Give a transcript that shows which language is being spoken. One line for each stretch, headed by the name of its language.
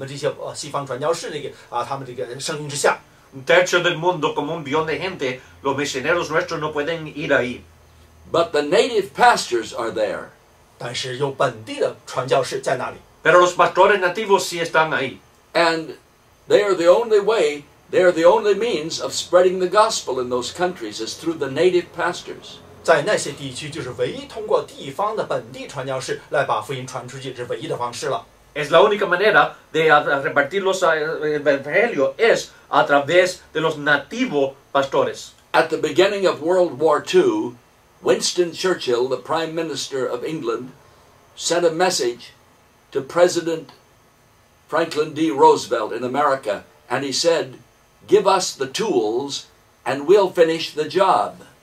Chinese: 但是我们西方这个传教士大概有三分之一的地区，大概也就是2.5亿的人，根本就是我们达不到我们这些西方传教士的他们这个声音之下。
Spanish: Tercio del mundo, como un billón de gente, los misioneros nuestros no pueden ir ahí.
English: But the native pastors are there.
Chinese: 但是有本地的传教士在那里。
Spanish: Pero los pastores nativos sí están ahí.
English: And they are the only way. They are the only means of spreading the gospel in those countries is through the native pastors.
Chinese: 在那些地区，就是唯一通过地方的本地传教士来把福音传出去，是唯一的方式了。
Spanish: Es la única manera de repartir los evangelios es a través de los nativos pastores.
English: At the beginning of World War II, Winston Churchill, the Prime Minister of England, sent a message to President Franklin D. Roosevelt in America, and he said, give us the tools, and we'll finish the job.